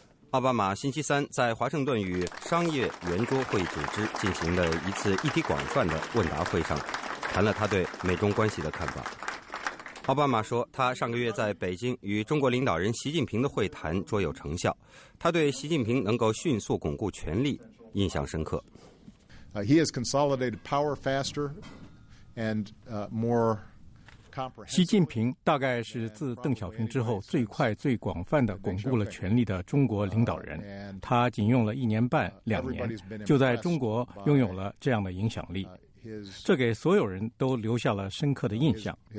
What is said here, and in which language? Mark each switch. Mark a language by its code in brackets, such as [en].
[zh] 奥巴马星期三在华盛顿与商业圆桌会组织进行了一次议题广泛的问答会上，谈了他对美中关系的看法。奥巴马说，他上个月在北京与中国领导人习近平的会谈卓有成效，他对习近平能够迅速巩固权力印象深刻。 [en] He has consolidated power faster and more comprehensive. [zh] 习近平大概是自邓小平之后最快最广泛的巩固了权力的中国领导人，他仅用了一年半两年就在中国拥有了这样的影响力，这给所有人都留下了深刻的印象。